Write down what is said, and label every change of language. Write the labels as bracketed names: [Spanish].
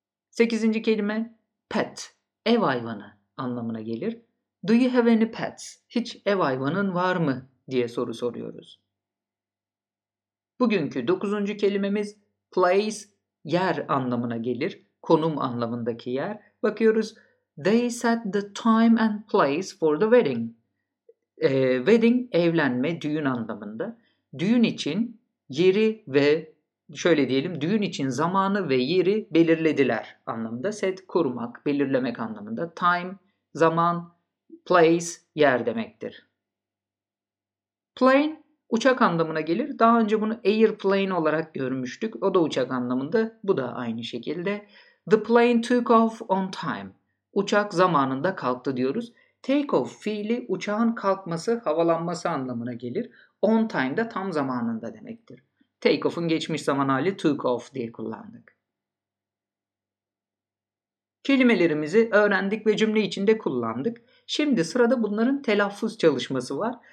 [Turkish] Sekizinci kelime pet, ev hayvanı anlamına gelir. [English] Do you have any pets? [Turkish] Hiç ev hayvanın var mı diye soru soruyoruz. Bugünkü dokuzuncu kelimemiz place, yer anlamına gelir. Konum anlamındaki yer. Bakıyoruz. [English] They set the time and place for the wedding. [Turkish] Wedding, evlenme, düğün anlamında. Düğün için yeri ve şöyle diyelim, düğün için zamanı ve yeri belirlediler anlamında. Set, kurmak, belirlemek anlamında. Time, zaman, place, yer demektir. Plane, uçak anlamına gelir. Daha önce bunu airplane olarak görmüştük. O da uçak anlamında. Bu da aynı şekilde. [English] The plane took off on time. [Turkish] Uçak zamanında kalktı diyoruz. Take off fiili uçağın kalkması, havalanması anlamına gelir. On time de tam zamanında demektir. Take off'un geçmiş zaman hali took off diye kullandık. Kelimelerimizi öğrendik ve cümle içinde kullandık. Şimdi sırada bunların telaffuz çalışması var.